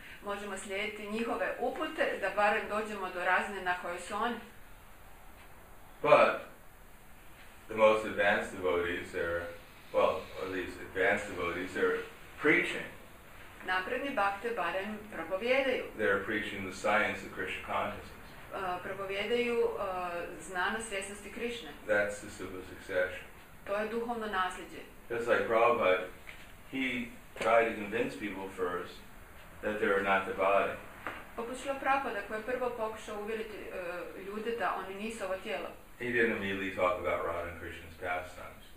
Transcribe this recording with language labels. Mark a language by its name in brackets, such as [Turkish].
[Croatian] Možemo slijediti njihove upute da barem dođemo do razine na kojoj su oni. [English] But the most advanced devotees are, well, or these advanced devotees are preaching. [Croatian] Napredni bhakte barem propovijedaju. [English] They're preaching the science of Krishna consciousness. [Croatian] Propovijedaju znanost svjesnosti Krishne. [English] That's the super succession. [Croatian] To je duhovno nasljeđe. [English] Just like Prabhupada, he tried to convince people first that they are not the body. [Croatian] Poput Šrila Prabhupada koji je prvo pokušao uvjeriti ljude da oni nisu ovo tijelo. [English] He didn't immediately talk about Radha and Krishna's pastimes.